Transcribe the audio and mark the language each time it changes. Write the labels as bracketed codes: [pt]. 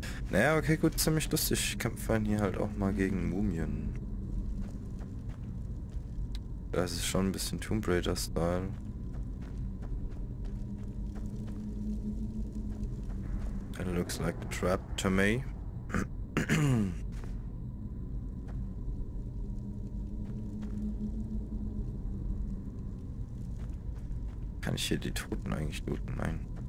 [de] Naja, okay, gut, ziemlich lustig. Ich kämpfe hier halt auch mal gegen Mumien. Das ist schon ein bisschen Tomb Raider-Style. [en] It looks like a trap to me. [de] Kann ich hier die Toten eigentlich looten? Nein.